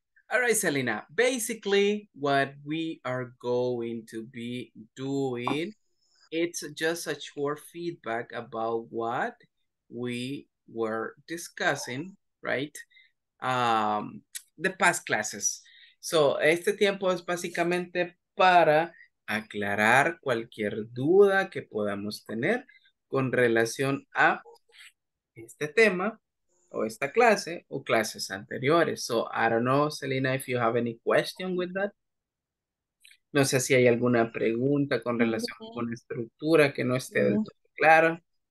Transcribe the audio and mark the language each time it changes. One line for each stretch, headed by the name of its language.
English: All right, Selena, basically what we are going to be doing, it's just a short feedback about what we were discussing, right? The past classes.
Spanish: So, este tiempo es básicamente para aclarar cualquier duda que podamos tener con relación a este tema, o esta clase o clases anteriores.
English: So I don't know, Selena, if you have any question with that.
Spanish: No sé si hay alguna pregunta con relación con la estructura que no esté del todo clara.